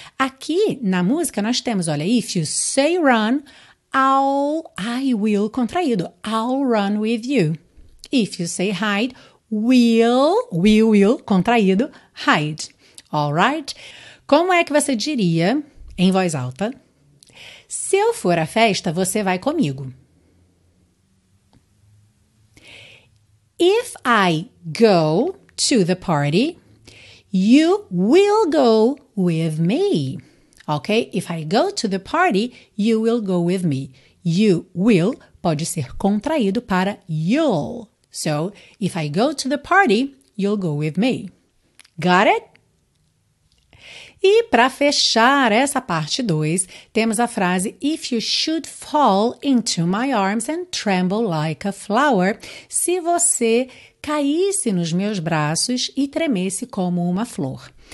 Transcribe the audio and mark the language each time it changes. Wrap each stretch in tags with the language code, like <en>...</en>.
<pt>Aqui, na música, nós temos, olha,</pt> <en>if you say run, I will</en> <pt>contraído,</pt> <en>I'll run with you. If you say hide, we will</en> <pt>contraído,</pt> <en>hide. All right?</en> <pt>Como é que você diria, em voz alta, se eu for à festa, você vai comigo?</pt> <en>If I go to the party, you will go with me. Ok? If I go to the party, you will go with me. You will</en> <pt>pode ser contraído para you'll.</pt> <en>So, if I go to the party, you'll go with me. Got it?</en> <pt>E para fechar essa parte 2, temos a frase</pt> <en>if you should fall into my arms and tremble like a flower.</en> <pt>Se você caísse nos meus braços e tremesse como uma flor.</pt>